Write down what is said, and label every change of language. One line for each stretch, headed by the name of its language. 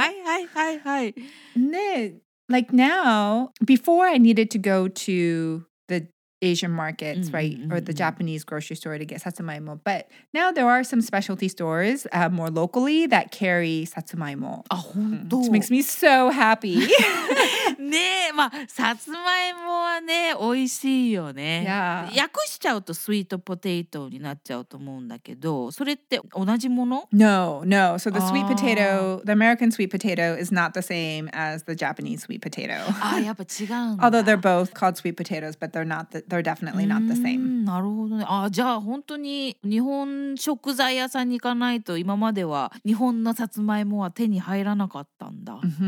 English: Hi. And then, like now, before I needed to go to the Asian markets, mm-hmm. right? Or the Japanese grocery store to get satsumaimo. But now there are some specialty stores more locally that carry satsumaimo.
Japanese: Ah, hondo.
English: Which makes me so happy.
Japanese: ねえ、まあ、さつまいもはね、おいしいよね。
English: Yeah.
Japanese: 訳しちゃうとスイートポテイトになっちゃうと思うんだけど、それって同じもの?
English: No, no. So the sweet potato, the American sweet potato is not the same as the Japanese sweet potato.
Japanese: あ、やっぱ違うんだ。
English: Although they're both called sweet potatoes, but they're not the they're definitely not the same.
Japanese: なるほどね。あ、じゃあ本当に日本食材屋さんに行かないと今までは日本のさつまいもは手に入らなかったんだ。